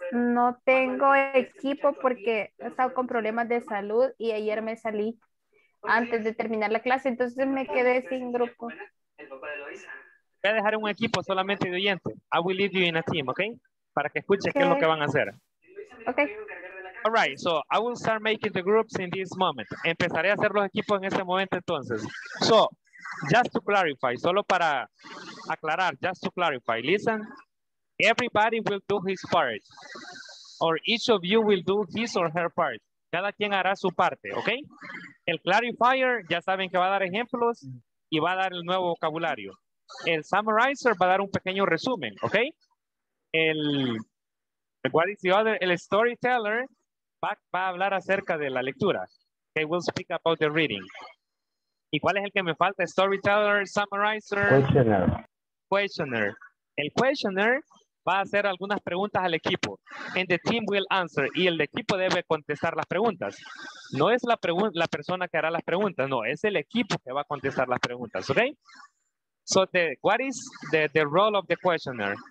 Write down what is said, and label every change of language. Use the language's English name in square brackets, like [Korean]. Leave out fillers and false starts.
[Spanish] No tengo equipo porque he estado con problemas de salud y ayer me salí antes de terminar la clase, entonces me quedé sin grupo. Voy a dejar un equipo solamente de oyente. [English] I will leave you in a team, [Spanish] ¿ok? Para que escuches okay. Qué es lo que van a hacer. Ok. [English] All right, so I will start making the groups in this moment. [Spanish] Empezaré a hacer los equipos en este momento entonces. [English] So, just to clarify, [Spanish] solo para aclarar, [English] just to clarify, listen. Everybody will do his part. Or each of you will do his or her part. [Spanish] Cada quien hará su parte, ¿ok? El clarifier, ya saben que va a dar ejemplos y va a dar el nuevo vocabulario. El summarizer va a dar un pequeño resumen, ¿ok? El storyteller va a hablar acerca de la lectura. [English] He will speak about the reading. [Spanish] ¿Y cuál es el que me falta? [English] Storyteller, summarizer. Questioner. Questioner. [Spanish] El questioner va a hacer algunas preguntas al equipo. [English] And the team will answer. [Spanish] Y el equipo debe contestar las preguntas. No es la persona que hará las preguntas. No, es el equipo que va a contestar las preguntas. ¿Ok? [English] So, what is the role of the questioner?